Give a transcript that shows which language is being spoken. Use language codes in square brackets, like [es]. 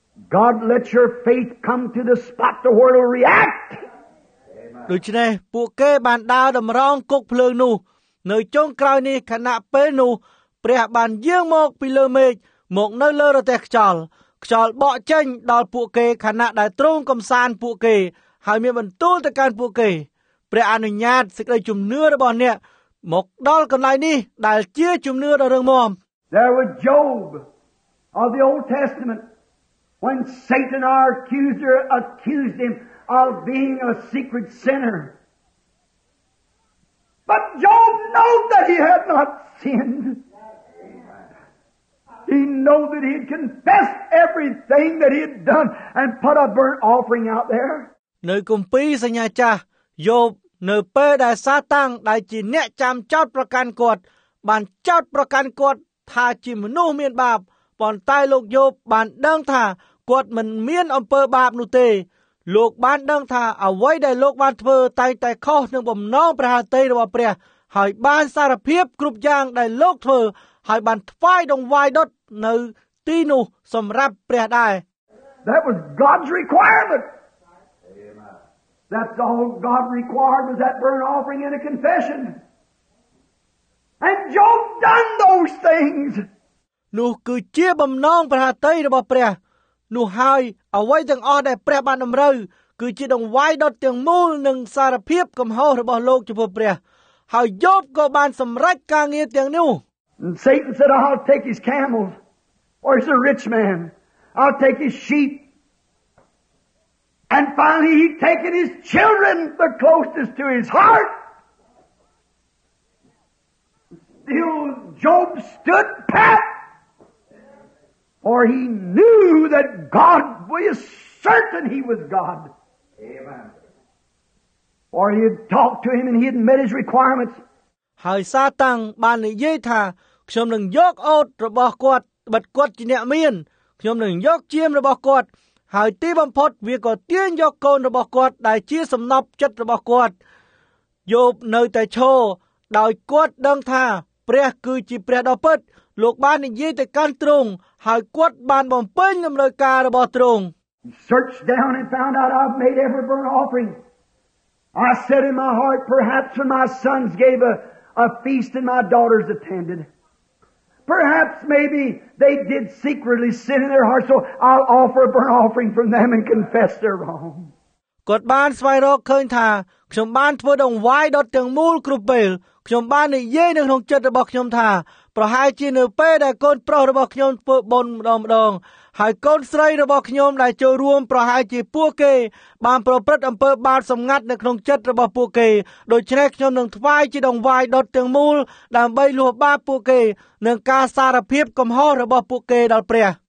[en] God, let your faith come to the spot to where it'll react. [km] ដូច្នេះពួកគេបានដើរតម្រង់គុកភ្លើងនោះនៅចុងក្រោយនេះខណៈពេលនោះព្រះបានយាងមកពីលើមេឃមកនៅលើរទេះខ្យល់ខ្យល់បក់ចេញដល់ពួកគេខណៈដែលទ្រង់កំសាន្តពួកគេហើយមានបន្ទូលទៅកាន់ពួកគេព្រះអនុញ្ញាតសេចក្តីជំនឿរបស់អ្នកមកដល់កន្លែងនេះដែលជាជំនឿដ៏រឹងមាំ [en] There was Job of the Old Testament when Satan our accuser accused him of being a secret sinner But Job knew that he had not sinnedHe knew that he had confessed everything that he had done and put a burnt offering out there. [km] នៅគម្ពីរសញ្ញាចាស់យោបនៅពេលដែលសាតាំងដែលជាអ្នកចាំចោតប្រកាន់គាត់បានចោតប្រកាន់គាត់ថាជាមនុស្សមានបាបប៉ុន្តែលោកយោបបានដឹងថាគាត់មិនមានអំពើបាបនោះទេលោកបានដឹងថាអ្វីដែលលោកបានធ្វើតែខុសនឹងបំណងព្រះហឫទ័យរបស់ព្រះហើយបានសារភាពគ្រប់យ៉ាងដែលលោកធ្វើហើយបានថ្វាយដង្វាយដុតនៅទីនោះសម្រាប់ព្រះដែរ [en] That was God's requirement. Amen. That's all God required was that burnt offering and a confession. And Job done those things. [km] នោះគឺជាបំណងព្រះហឫទ័យរបស់ព្រះនោះហើយអ្វីទាំងអស់ដែលព្រះបានតម្រូវគឺជាដង្វាយដុតទាំងមូលនិងសារភាពកំហុសរបស់លោកចំពោះព្រះហើយយ៉ូបក៏បានសម្រេចការងារទាំងនោះ [en] And Satan said, I'll take his camels, or he's a rich man. I'll take his sheep. And finally he'd taken his children, the closest to his heart. Still Job stood pat, for he knew that God was certain he was God. Amen. For he had talked to him and he had met his requirements. How Satan ban the yeta. [km] ខ្ញុំនឹងយកអូតរបស់គាត់បិទគាត់ជាអ្នកមានខ្ញុំនឹងយកជាមរបស់គាត់ហើយទីបំផុតវាក៏ទាញយកកូនរបស់គាត់ដែលជាសំណប់ចិត្តរបស់គាត់យប់នៅតែឈរដោយគាត់ដឹងថាព្រះគឺជាព្រះដ៏ពិតលោកបាននិយាយទៅកាន់ទ្រង់ហើយគាត់បានបំពេញតម្រូវការរបស់ទ្រង់ [en] Search down and found out I've made every burnt offering I said in my heart perhaps when my sons gave a feast and my daughters attendedPerhaps maybe they did secretly sin in their hearts, so I'll offer a burnt offering from them and confess their wrong. [km] គាត់បានស្វែងរកឃើញថាខ្ញុំបានធ្វើដងវាយដុតទាំងមូលគ្រប់ពេលខ្ញុំបាននិយាយនៅក្នុងចិត្តរបស់ខ្ញុំថាប្រហែលជានៅពេលដែលកូនប្រុសរបស់ខ្ញុំធ្វើបុណ្យម្ដងម្ដងហើយកូនស្រីរបស់ខ្ញុំដែលចូលរួមប្រហែលជាពួកគេបានប្រព្រឹត្តអំពើបាបសម្ងាត់នៅក្នុងចិត្តរបស់ពួកគេដូច្នេះខ្ញុំនឹងថ្វាយជាដងវាយដុតទាំងមូលដើម្បីលោះបាបពួកគេនឹងការសារភាពកំហុសរបស់ពួកគេដល់ព្រះ